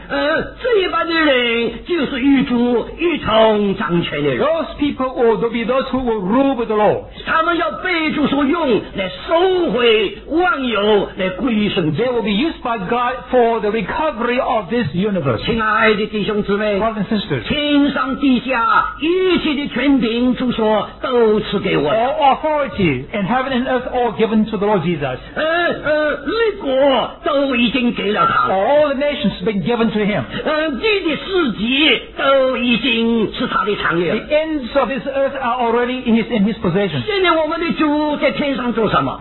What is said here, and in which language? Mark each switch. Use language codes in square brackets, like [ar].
[en] Those people will be those who will rule with the Lord. They will be used by God for the recovery of this universe. [zh] 亲爱的弟兄姊妹 [en] Brothers and sisters, [zh] 天上地下一切的权柄主说都赐给我 [en] All authority in heaven and earth all given to the Lord Jesus [zh] 立国都已经给了他 [en] All the nations have been given to him [zh] 地的四极都已经是他的产业 [en] The ends of this earth are already in his possession [zh] 现在我们的主在天上做什么